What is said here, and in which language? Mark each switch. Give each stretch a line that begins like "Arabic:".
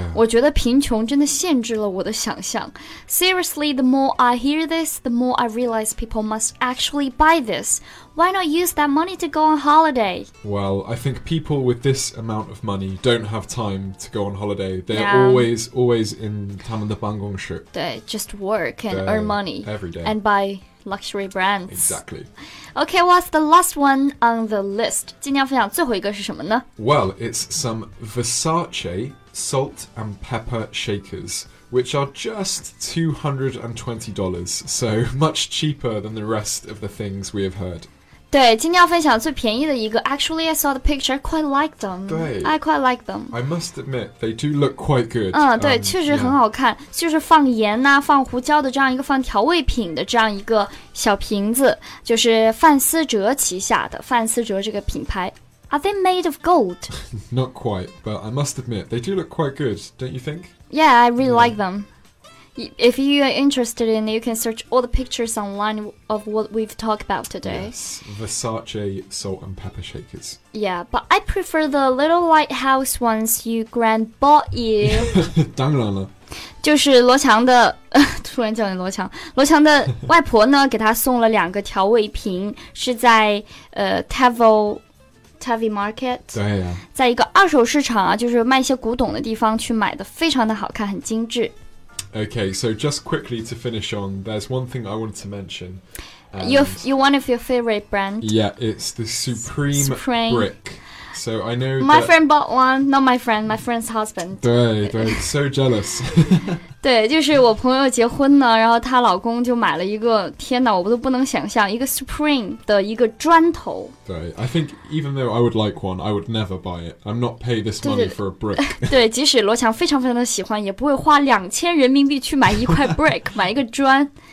Chinese: 我觉得贫穷真的限制了我的想象。
English: Seriously, the more I hear this, the more I realize people must actually buy this. Why not use that money to go on holiday? Well, I think people with this amount of money don't have time to go on holiday. They're always in
Chinese: 他们的办公室。对
English: ，just work and earn money every day and buy luxury brands. Exactly. Okay, what's the last one on the list?
Chinese: 今天要分享最后一个是什么呢？
English: Well, it's some Versace salt and pepper shakers. Which are just $220, so much cheaper than the rest of the things we have heard.
Chinese: 对，今天要分享最便宜的一个。
English: Actually, I saw the picture. I quite like them.
Chinese: 对
English: ，I quite like them. I must admit, they do look quite good.
Chinese: 对，确实很好看。
English: Yeah.
Chinese: 就是放盐呐、啊，放胡椒的这样一个放调味品的这样一个小瓶子，就是范思哲旗下的范思哲这个品牌。
English: Are they made of gold? Not quite, but I must admit, they do look quite good, don't you think? Yeah, I really like them. If you are interested in it, you can search all the pictures online of what we've talked about today. Yes, Versace salt and pepper shakers. Yeah, but I prefer the little lighthouse ones your grand bought you.
Chinese: 当然了。就是罗强的，突然叫你罗强。罗强的外婆呢，给他送了两个调味瓶，是在Tavi Market，对呀、啊，在一个二手市场啊，就是卖一些古董的地方去买的，非常的好看，很精致。
English: Okay, so just quickly to finish on, there's one thing I wanted to mention. You one of your favorite brand? Yeah, it's the Supreme Brick. So I know my friend bought one. Not my friend, my friend's husband.
Chinese: 对
English: ，so jealous.
Chinese: 对，就是我朋友结婚呢，然后她老公就买了一个，天哪，我都不能想象，一个 Supreme 的一个砖头。对
English: ，I think even though I would like one, I would never buy it. I'm not pay this money for a brick.
Chinese: 对，即使罗强非常非常的喜欢，也不会花2000人民币去买一块 brick， 买一个砖。